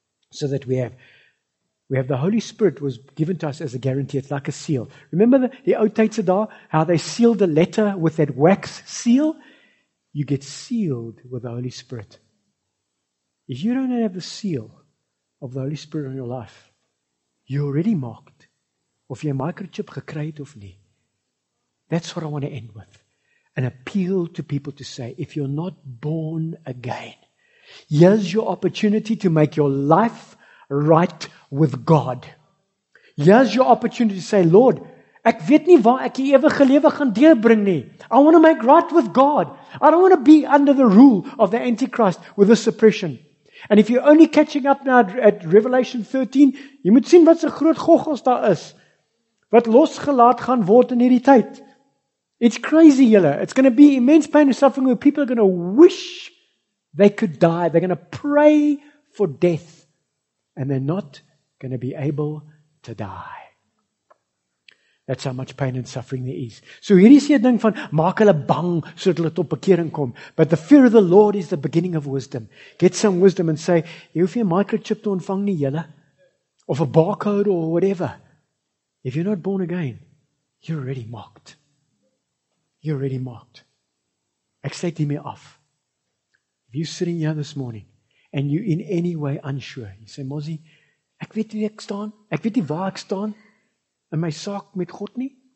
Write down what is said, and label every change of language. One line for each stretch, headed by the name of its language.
English: So that we have the Holy Spirit was given to us as a guarantee. It's like a seal. Remember the Oud Tijdsedar, how they sealed the letter with that wax seal? You get sealed with the Holy Spirit. If you don't have the seal of the Holy Spirit on your life, you're already marked.
Afrikaans: Of jy microchip gekry het of nie.
English: That's what I want to end with. An appeal to people to say, if you're not born again, Here's your opportunity to make your life right with God. Here's your opportunity to say, Lord,
Afrikaans: ek weet nie waar ek die ewige lewe gaan deurbring nie.
English: I want to make right with God. I don't want to be under the rule of the Antichrist with this oppression. And if you're only catching up now at Revelation 13,
Afrikaans: jy moet sien wat se groot goggels daar is, wat losgelaat gaan word in hierdie tyd.
English: It's crazy,
Afrikaans: julle.
English: It's going to be immense pain and suffering where people are going to wish they could die. They're going to pray for death. And they're not going to be able to die. That's how much pain and suffering there is.
Afrikaans: So hier is hier ding van, maak hulle bang, so dat hulle tot bekering kom.
English: But the fear of the Lord is the beginning of wisdom. Get some wisdom and say,
Afrikaans: jy hoef nie 'n microchip te ontvang nie, julle.
English: Of a barcode or whatever. If you're not born again, you're already mocked. You're already marked.
Afrikaans: Ek sê dit mee af.
English: If you're sitting here this morning and you in any way unsure, you say,
Afrikaans: Mozzie, ek weet nie ek staan, ek weet nie waar ek staan in my saak met God nie.